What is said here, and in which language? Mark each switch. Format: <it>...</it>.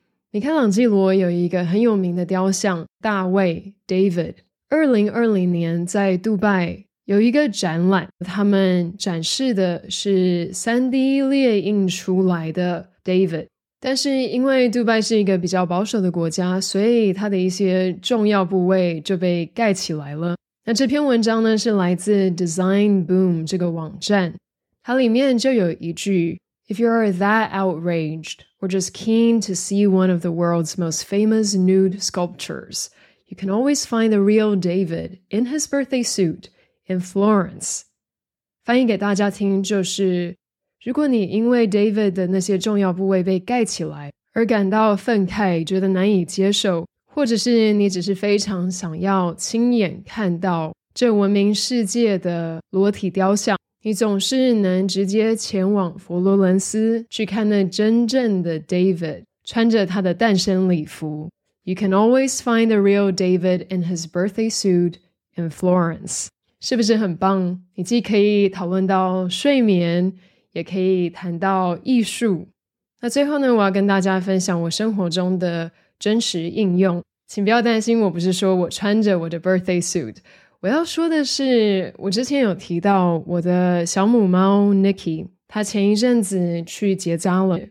<zh>米开朗基罗有一个很有名的雕像，大卫 David， 2020年在杜拜有一个展览，他们展示的是 3D 列印出来的 David。但是因为杜拜是一个比较保守的国家，所以它的一些重要部位就被盖起来了。那这篇文章呢，是来自 Design Boom 这个网站，它里面就有一句</zh> <en>If you are that outraged or just keen to see one of the world's most famous nude sculptures, you can always find the real David in his birthday suit in Florence.</en> <zh>翻译给大家听就是，如果你因为 David 的那些重要部位被盖起来而感到愤慨，觉得难以接受，或者是你只是非常想要亲眼看到这闻名世界的裸体雕像，你总是能直接前往佛罗伦斯去看那真正的 David 穿着他的诞生礼服。</zh> <en>You can always find the real David in his birthday suit in Florence.</en> <zh>是不是很棒？你既可以讨论到睡眠，也可以谈到艺术。那最后呢，我要跟大家分享我生活中的真实应用。请不要担心，我不是说我穿着我的</zh> <en>birthday suit，</en> <zh>我要说的是，我之前有提到我的小母猫 Nikki， 她前一阵子去结扎了。</zh>